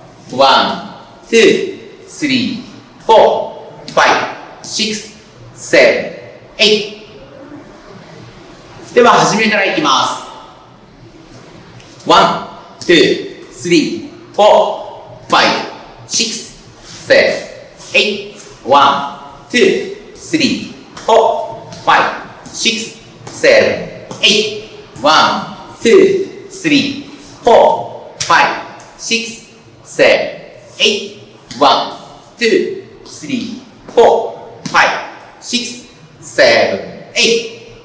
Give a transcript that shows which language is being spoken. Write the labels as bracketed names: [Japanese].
[English] One, two, three, four, five, six, seven, eight. [Japanese] では、始めからいきます。 [English] One, two, three, four, five, six, seven, eight. One, two, three, four, five, six, seven, eight. One, two, three, four, five, six,Seven, eight, one, two, three, four, five, six, seven, eight.